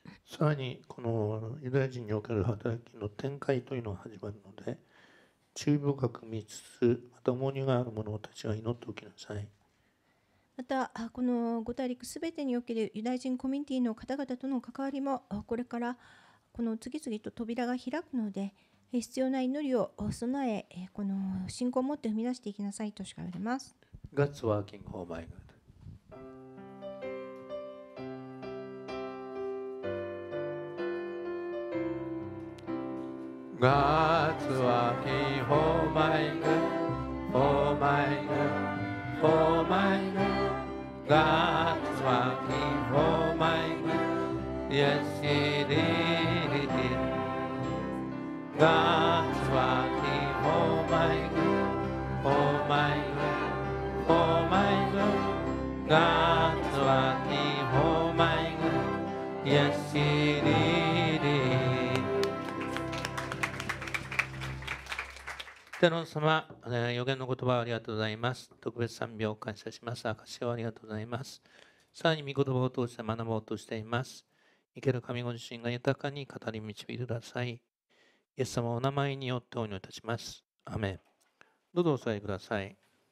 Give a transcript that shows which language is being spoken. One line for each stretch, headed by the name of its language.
Japanese: さらにこのユダヤ人における働きの展開というのが始まるので注意深く見つつまた重荷がある者たちは祈っておきなさい。またこの五大陸すべてにおけるユダヤ人コミュニティの方々との関わりもこれからこの次々と扉が開くので必要な祈りを備えこの信仰を持って踏み出していきなさいとしか言われます。
English: God's working for my goodGod's working for my good, for my good, for my good. God's working for my good, yes He did it. God's working for my good, for my good, for my good. God's working for my good, yes He did it.
Japanese: 天の様、予言の言葉ありがとうございます。特別賛美を感謝します。証をありがとうございます。さらに御言葉を通して学ぼうとしています。生ける神ご自身が豊かに語り導いてください。イエス様お名前によってお祈りいたします。アメン。どうぞお座りください。